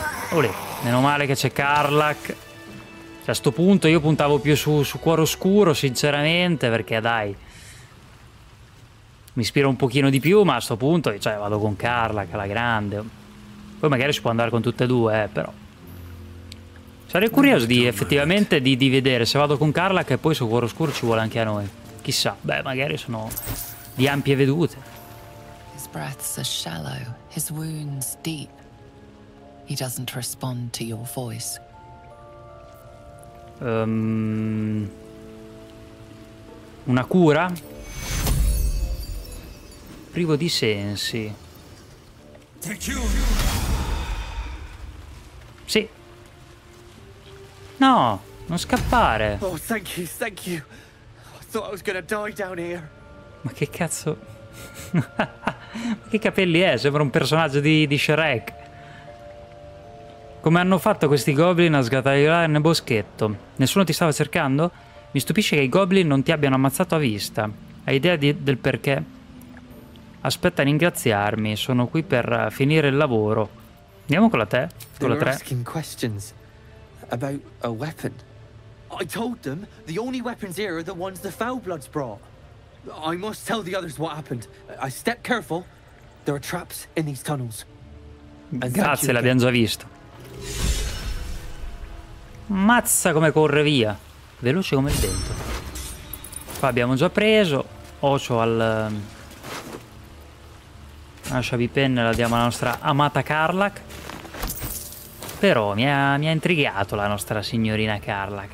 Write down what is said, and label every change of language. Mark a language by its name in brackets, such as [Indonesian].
[Italian] Olè. Meno male che c'è Karlach. Cioè, a sto punto io puntavo più su cuore oscuro, sinceramente, perché dai, mi ispira un pochino di più, ma a sto punto, cioè, vado con Karlach, la grande. Poi magari si può andare con tutte e due, però. Sarei curioso di, effettivamente, di vedere se vado con Karlach e poi su cuore oscuro ci vuole anche a noi. Chissà, beh, magari sono di ampie vedute. [English] His breaths are shallow, his wounds deep. He doesn't respond to your voice. [Italian] Una cura? Privo di sensi. Sì. No, non scappare. [English] Oh, thank you, thank you. I thought I was gonna die down here. [Italian] Ma che cazzo? Ma che capelli è? Sembra un personaggio di Shrek. Come hanno fatto questi goblin a sgattaiolare nel boschetto? Nessuno ti stava cercando? Mi stupisce che i goblin non ti abbiano ammazzato a vista. Hai idea del perché? Aspetta a ringraziarmi, sono qui per finire il lavoro. Andiamo con la te, con la tre. [English] Asking questions about a weapon. I told them the only weapons here are the ones the foul bloods brought. I must tell the others what happened. I step careful. There are traps in these tunnels. [Italian] Grazie, l'abbiamo già visto. Mazza come corre via. Veloce come il vento. Qua abbiamo già preso. Ocio al... Lasciavi penne, la diamo alla nostra amata Karlach. Però mi ha intrigato la nostra signorina Karlach.